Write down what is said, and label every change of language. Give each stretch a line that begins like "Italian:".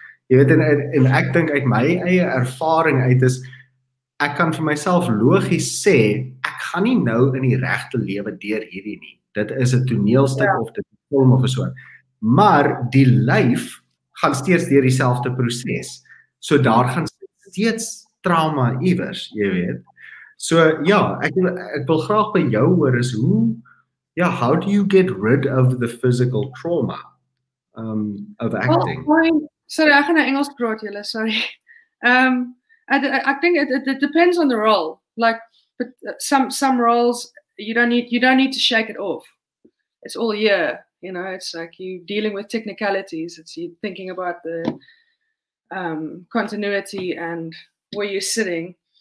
Afrikaans: Jy weet, en ek dink uit my eie ervaring uit is, ek kan vir myself logies sê, ek gaan nie nou in die regte lewe deur hierdie nie. Dit is 'n toneelstuk of dit 'n film of so. Maar die lyf gaan steeds deur dieselfde proses. So daar gaan steeds trauma iewers, jy weet. So ja, ek wil graag by jou hoor
English: is how do you get rid of the physical trauma of acting?
Afrikaans: Sorry, ek gaan nou Engels praat julle, sorry.
English: I think it depends on the role. Like but some roles you don't need to shake it off. It's all year, you know, it's like you dealing with technicalities, it's you thinking about the continuity and where you're sitting.